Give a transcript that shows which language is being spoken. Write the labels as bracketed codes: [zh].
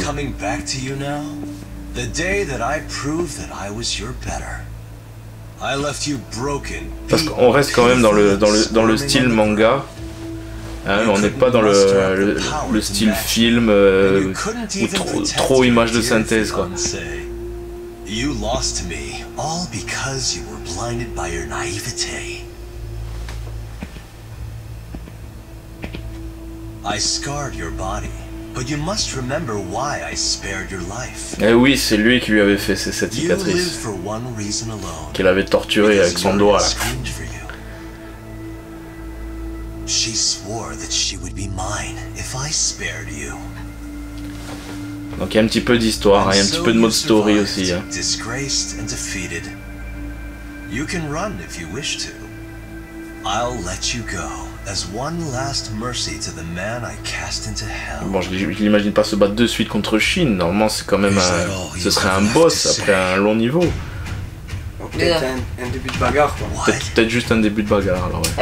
[en] Is it all coming back to you now? The day that I proved that I was your better. I left you broken. [fr] Parce qu'on reste quand même dans le style manga. Hein, on n'est pas dans le style film ou trop image de synthèse, quoi. [en] You lost me all because you were blinded by your naivete. I scarred your body, but you must remember why I spared your life. [fr] Eh oui, c'est lui qui lui avait fait ses 7 cicatrices. Qu'elle avait torturé avec son doigt. [en] She swore that she would be mine if I spared you. [fr] Donc il y a un petit peu d'histoire, hein, il y a un petit peu de mode story aussi. [en] Disgraced and defeated. You can run if you wish to. I'll let you go as one last mercy to the man I cast into hell. [fr] Bon, je l'imagine pas se battre de suite contre Shin. Normalement, c'est quand même un, ce serait un boss après un long niveau. Peut-être un début de bagarre, quoi. Peut-être juste un début de bagarre, alors, ouais.